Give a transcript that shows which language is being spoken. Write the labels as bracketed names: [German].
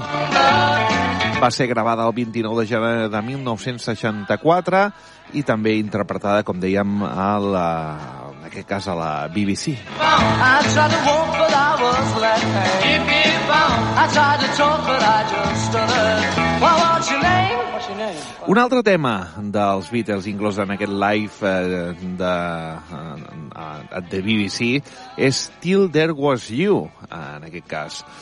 [Catalan] Va ser gravada el 29 de gener de 1964 i també interpretada, com dèiem, a la, en aquest cas, a la BBC. [English] I tried to walk, but I was left hand. I tried to talk, but I just stuttered. Well, what's your name? [Catalan] Un altre tema dels Beatles, inclòs en aquest live de BBC, és Till There Was You, en aquest cas.